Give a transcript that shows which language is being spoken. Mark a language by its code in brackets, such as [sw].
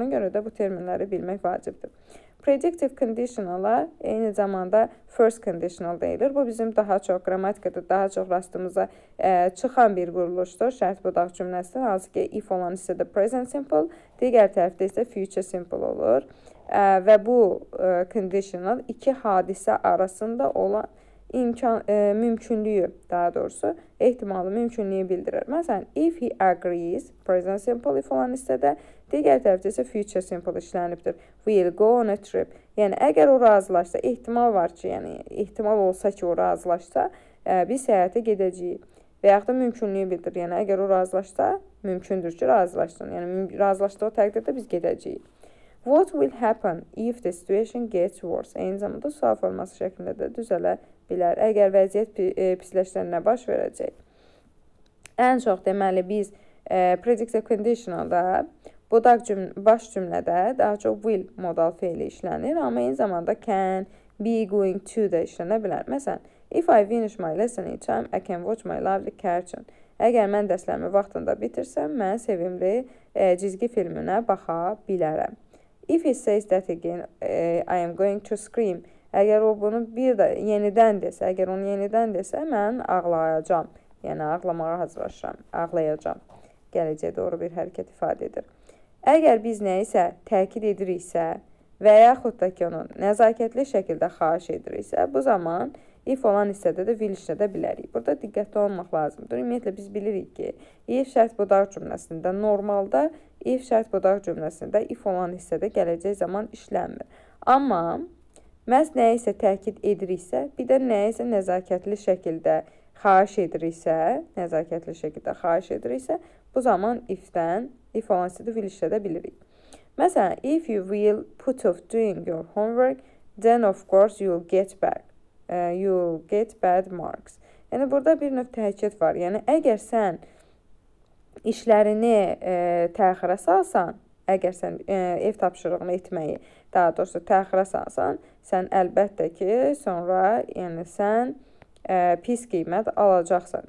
[az] Ona görə də bu terminləri bilmək vacibdir. Predictive conditional-a eyni zamanda first conditional deyilir. Bu, bizim daha çox qramatikada, daha çox rastımıza çıxan bir quruluşdur. Şərt budaq cümləsindən, hansı ki, if olan hissədə present simple, digər tərəfdə isə future simple olur. Və bu conditional iki hadisə arasında olan mümkünlüyü, daha doğrusu, ehtimalı mümkünlüyü bildirir. Məsələn, [en] if he agrees, [az] present simple if olan hissədə, digər tərəfdə isə future simple işlənibdir. [en] We'll go on a trip. [az] Yəni, əgər o razılaşsa, ehtimal var ki, yəni, ehtimal olsa ki, o razılaşsa, biz səyahətə gedəcəyik. Və yaxud da mümkünlüyü bildirir. Yəni, əgər o razılaşsa, mümkündür ki, razılaşsın. Yəni, razılaşdığı təqdirdə biz gedəcəyik. [en] What will happen if the situation gets worse? [az] Eyni zamanda sual forması şəklində də düzələ bilər. Əgər vəziyyət pisləşdirənə baş verəcək. Ən çox, deməli, biz predictive conditional-da budaq baş cümlədə daha çox will modal feili işlənir, amma eyni zamanda can, be going to də işlənə bilər. [en] Məsələn, if I finish my lesson in time, I can watch my lovely cartoon. [az] Əgər mən dərslərimi vaxtında bitirsəm, mən sevimli cizgi filminə baxa bilərəm. [en] If he says that again, I am going to scream. [az] Əgər o bunu bir də yenidən desə, əgər onu yenidən desə, mən ağlayacam. Yəni, ağlamağa hazırlaşıram, ağlayacam. Gələcəyə doğru bir hərəkət ifadə edir. Əgər biz nə isə təkid ediriksə və yaxud da ki, onu nəzakətli şəkildə xahiş ediriksə, bu zaman if olan hissədə də will işlədə bilərik. Burada diqqətli olmaq lazımdır. Ümumiyyətlə, biz bilirik ki, if şərt budaq cümləsində normalda if şərt budaq cümləsində if olan hissədə gələcək zaman işlənmir. Amma məhz nə isə təkid ediriksə, bir də nə isə nəzakətli şəkildə xahiş ediriksə, nəzakətli şəkildə xahiş ediriksə, bu zaman if-dən if olan hissədə will işlədə bilirik. [en] Məsələn, if you will put off doing your homework, then of course you'll get back. You'll get bad marks. [az] Yəni, burada bir növ təkid var. Yəni, əgər sən işlərini təxirə salsan, əgər sən ev tapşırığını etməyi, daha doğrusu təxirə salsan, sən əlbəttə ki, sonra yəni, sən pis qiymət alacaqsan.